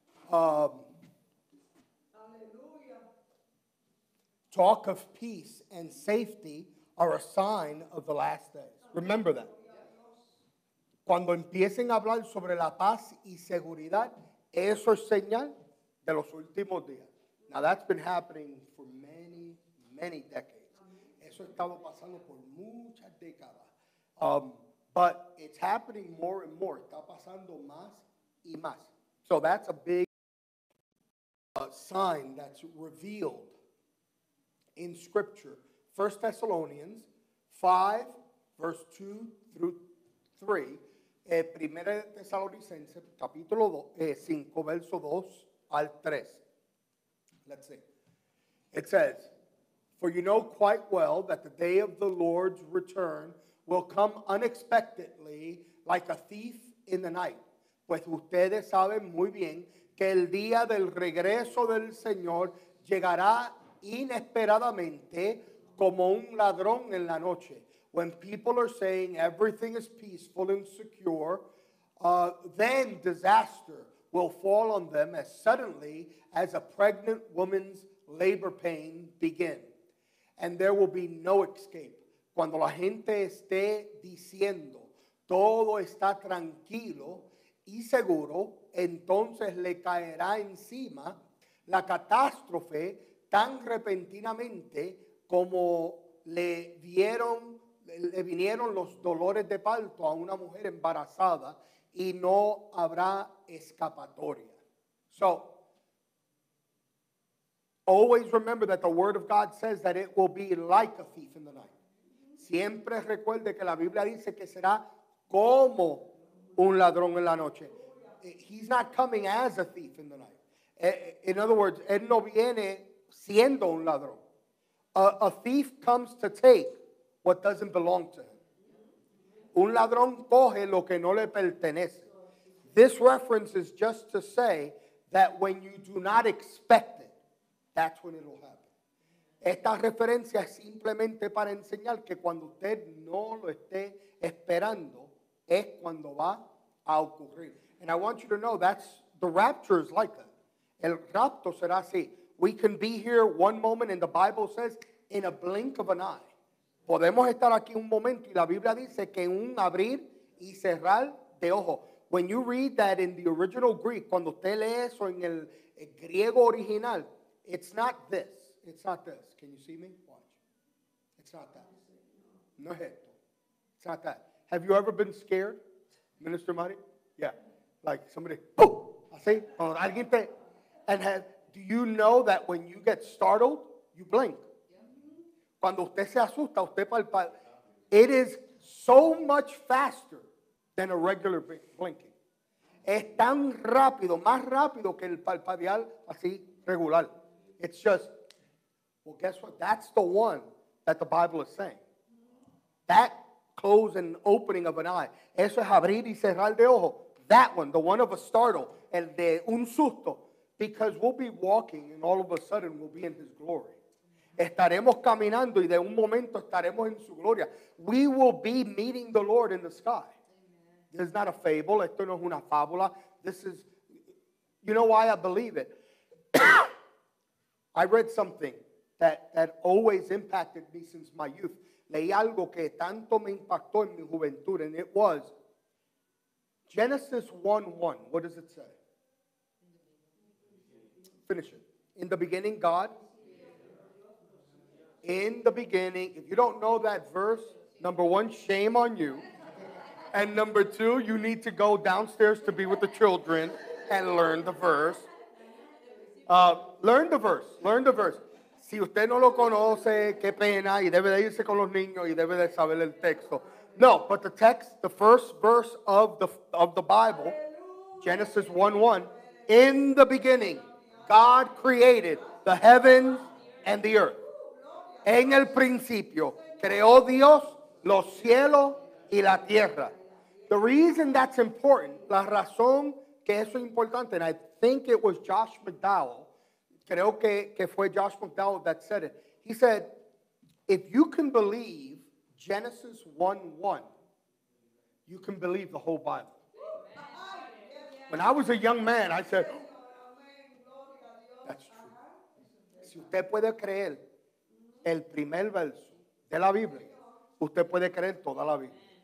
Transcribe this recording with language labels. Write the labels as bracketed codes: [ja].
[en] Talk of peace and safety are a sign of the last days. Remember that. [es] Cuando empiecen a hablar sobre la paz y seguridad, eso es señal de los últimos días. [en] Now, that's been happening for many, many decades. [es] Eso estaba pasando por muchas décadas. [en] But it's happening more and more. [es] Está pasando más y más. [en] So that's a big sign that's revealed in Scripture. 1 Thessalonians 5, verse 2 through 3. [es] Primera de Tesalonicenses, capítulo 5, verso 2 al 3. [en] Let's see. It says, for you know quite well that the day of the Lord's return will come unexpectedly like a thief in the night. [es] Pues ustedes saben muy bien que el día del regreso del Señor llegará inesperadamente como un ladrón en la noche. [en] When people are saying everything is peaceful and secure, then disaster will fall on them as suddenly as a pregnant woman's labor pain begin. And there will be no escape. [es] Cuando la gente esté diciendo, todo está tranquilo y seguro, entonces le caerá encima la catástrofe tan repentinamente como le vinieron los dolores de parto a una mujer embarazada y no habrá escapatoria. [en] So, always remember that the word of God says that it will be like a thief in the night. [es] Siempre recuerde que la Biblia dice que será como un ladrón en la noche. [en] He's not coming as a thief in the night. In other words, [es] él no viene siendo un ladrón. [en] A thief comes to take what doesn't belong to him. [es] Un ladrón coge lo que no le pertenece. [en] This reference is just to say that when you do not expect it, that's when it will happen. [es] Esta referencia es simplemente para enseñar que cuando usted no lo esté esperando, es cuando va a ocurrir. [en] And I want you to know that's the rapture is like that. [es] El rapto será así. [en] We can be here one moment, and the Bible says, in a blink of an eye. [es] Podemos estar aquí un momento, y la Biblia dice que en un abrir y cerrar de ojo. [en] When you read that in the original Greek, [es] cuando usted lee eso en el griego original, [en] it's not this. It's not this. Can you see me? Watch. It's not that. [es] No es esto. [en] It's not that. Have you ever been scared, Minister Mari? Yeah. Like somebody, boom! [es] Así, cuando alguien te... [en] And have, do you know that when you get startled, you blink? [es] Cuando usted se asusta, usted palpa. [en] It is so much faster than a regular blinking. [es] Es tan rápido, más rápido que el palpadear así regular. [en] It's just, well, guess what? That's the one that the Bible is saying. That close and opening of an eye. [es] Eso es abrir y cerrar de ojo. [en] That one, the one of a startle, [es] el de un susto. [en] Because we'll be walking and all of a sudden we'll be in his glory. [es] Estaremos caminando y de un momento estaremos en su gloria. [en] We will be meeting the Lord in the sky. This is not a fable. [es] Esto no es una fábula. [en] This is, you know why I believe it? I read something that always impacted me since my youth. [es] Leí algo que tanto me impactó en mi juventud, [en] and it was Genesis 1:1. What does it say? Finish it. In the beginning, God. In the beginning. If you don't know that verse, number one, shame on you. And number two, you need to go downstairs to be with the children and learn the verse. Learn the verse. [es] Si usted no lo conoce, qué pena, y debe de irse con los niños y debe de saber el texto. [en] No, but the text, the first verse of the Bible, Genesis 1:1, in the beginning, God created the heavens and the earth. [es] En el principio, creó Dios los cielos y la tierra. [en] The reason that's important, [es] la razón que eso es importante, [en] and I think it was Josh McDowell, [es] creo que fue Josh McDowell [en] that said it. He said, if you can believe Genesis 1:1, you can believe the whole Bible. When I was a young man, I said, that's true. [es] Si usted puede creer el primer verso de la Biblia, usted puede creer toda la Biblia.